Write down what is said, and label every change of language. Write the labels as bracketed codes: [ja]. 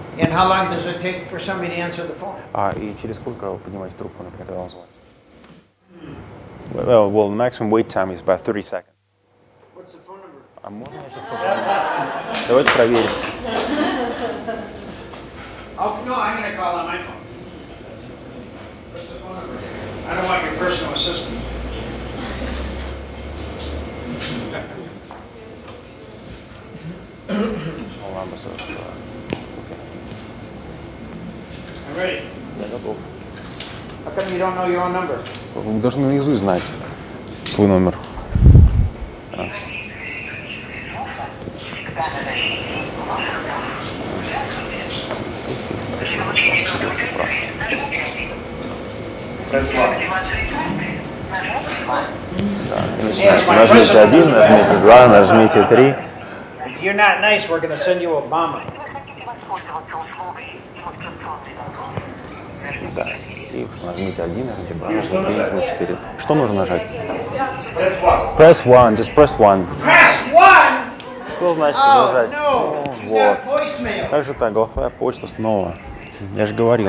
[en] And how long does it take for somebody to answer the phone? [ru] И через сколько вы поднимаете трубку, например, когда вам звонят? [en] Well, the maximum wait time is about 30 seconds. What's the phone number? [ru] А можно я сейчас позвоню? Давайте проверим. [en] Oh, no, I'm gonna call on my phone. What's the phone number? I don't want your personal assistant. Small ambassador. Okay. I'm ready. [ru] Yeah, готов. [en] How come you don't know your own number? [ru] Вы должны наизусть знать свой номер. Да. И начинается. Нажмите один, нажмите два, нажмите три. [en] If you're not nice, we're gonna send you Obama. [ru] Да. И нажмите один, нажмите два, нажмите три, нажмите четыре. Что нужно нажать? [en] Press one. Just press one. Press one? [ru] Что значит нажать? [en] Oh, no. Вот. [ru] Как же так? Голосовая почта снова. Я же говорил.